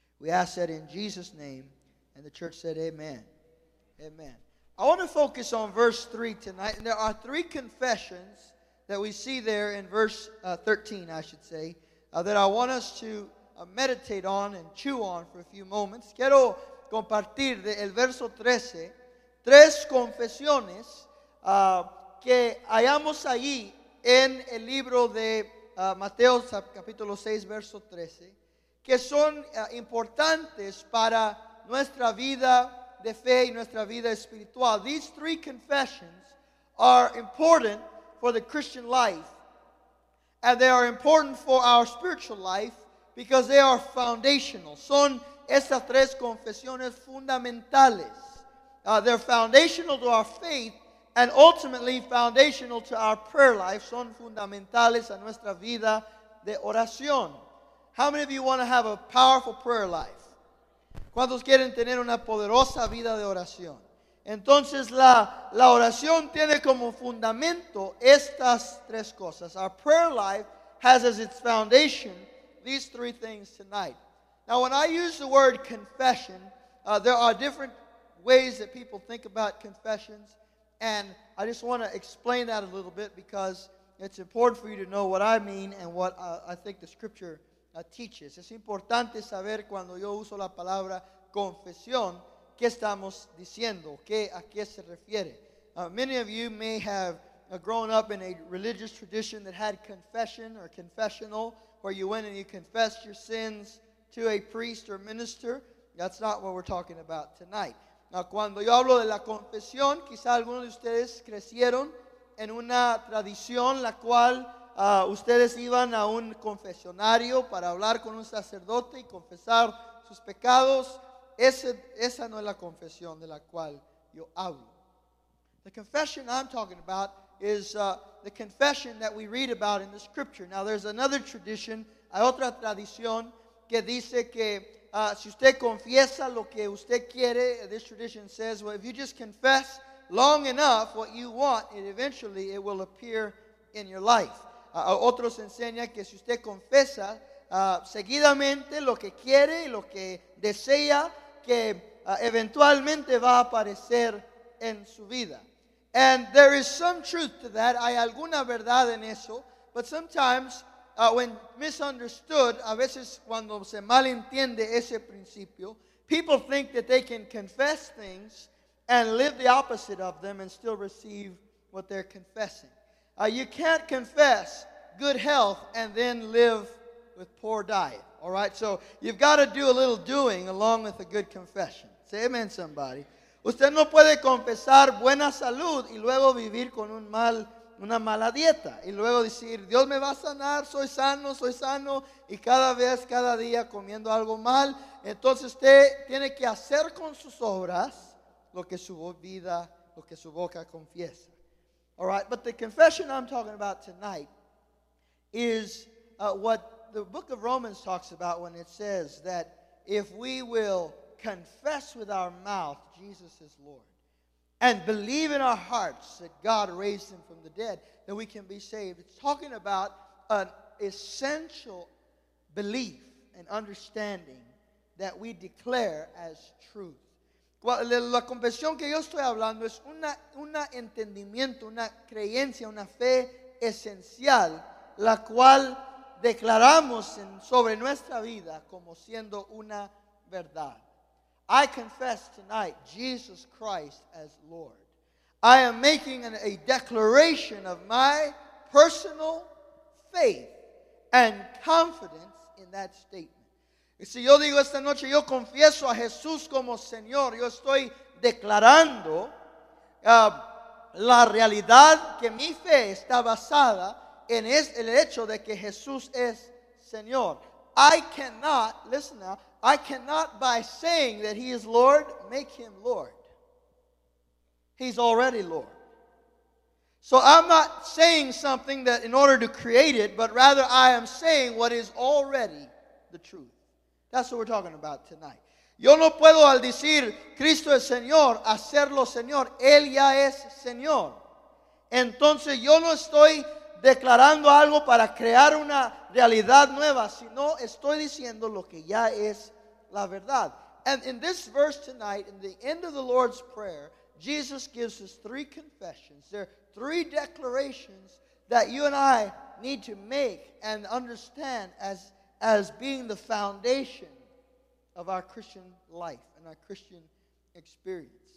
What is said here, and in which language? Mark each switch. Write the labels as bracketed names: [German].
[English] We ask that in Jesus' name, and the church said amen. Amen. I want to focus on verse 3 tonight, and there are three confessions that we see there in verse 13, I should say, that I want us to meditate on and chew on for a few moments. [Spanish] Quiero compartir del verso 13, tres confesiones que hallamos allí en el libro de Mateo capítulo 6, verso 13, que son importantes para nuestra vida de fe y nuestra vida espiritual. [English] These three confessions are important for the Christian life, and they are important for our spiritual life, Because they are foundational. [Spanish] Son esas tres confesiones fundamentales. [English] They're foundational to our faith and ultimately foundational to our prayer life. [Spanish] Son fundamentales a nuestra vida de oración. [English] How many of you want to have a powerful prayer life? [Spanish] ¿Cuántos quieren tener una poderosa vida de oración? Entonces, la oración tiene como fundamento estas tres cosas. [English] Our prayer life has as its foundation these three things tonight. Now, when I use the word confession, there are different ways that people think about confessions. And I just want to explain that a little bit because it's important for you to know what I mean and what I think the scripture teaches. [Spanish] Es importante saber cuando yo uso la palabra confesión, ¿qué estamos diciendo? ¿A qué se refiere? [English] Many of you may have grown up in a religious tradition that had confession or confessional, where you went and you confessed your sins to a priest or minister. That's not what we're talking about tonight. [Spanish] Now, cuando yo hablo de la confesión, quizá algunos de ustedes crecieron en una tradición la cual ustedes iban a un confesionario para hablar con un sacerdote y confesar sus pecados. Esa no es la confesión de la cual yo hablo. [English] The confession I'm talking about is the confession that we read about in the scripture. Now, there's another tradition, [Spanish] hay otra tradición que dice que si usted confiesa lo que usted quiere, [English] this tradition says, well, if you just confess long enough what you want, it eventually it will appear in your life. [Spanish] Otros enseña que si usted confiesa seguidamente lo que quiere y lo que desea, que eventualmente va a aparecer en su vida. [English] And there is some truth to that. [Spanish] Hay alguna verdad en eso. [English] But sometimes, when misunderstood, [Spanish] a veces cuando se malentiende ese principio, [English] people think that they can confess things and live the opposite of them and still receive what they're confessing. You can't confess good health and then live with poor diet. All right, so you've got to do a little doing along with a good confession. Say amen, somebody. [Spanish] Usted no puede confesar buena salud y luego vivir con una mala dieta. Y luego decir, Dios me va a sanar, soy sano. Y cada día comiendo algo mal. Entonces usted tiene que hacer con sus obras lo que su boca confiesa. [English] All right, but the confession I'm talking about tonight is what the book of Romans talks about when it says that if we will confess with our mouth Jesus is Lord and believe in our hearts that God raised him from the dead, then we can be saved. It's talking about an essential belief and understanding that we declare as truth. [Spanish] La confesión que yo estoy hablando es una entendimiento, una creencia, una fe esencial, la cual declaramos sobre nuestra vida como siendo una verdad. [English] I confess tonight Jesus Christ as Lord. I am making a declaration of my personal faith and confidence in that statement. [Spanish] Y si yo digo esta noche, yo confieso a Jesús como Señor, yo estoy declarando la realidad que mi fe está basada en el hecho de que Jesús es Señor. [English] I cannot, listen now, I cannot by saying that he is Lord, make him Lord. He's already Lord. So I'm not saying something that in order to create it, but rather I am saying what is already the truth. That's what we're talking about tonight. [Spanish] Yo no puedo al decir Cristo es Señor, hacerlo Señor. Él ya es Señor. Entonces yo no estoy declarando algo para crear una realidad nueva, sino estoy diciendo lo que ya es la verdad. [English] And in this verse tonight, in the end of the Lord's Prayer, Jesus gives us three confessions. There are three declarations that you and I need to make and understand as being the foundation of our Christian life and our Christian experience.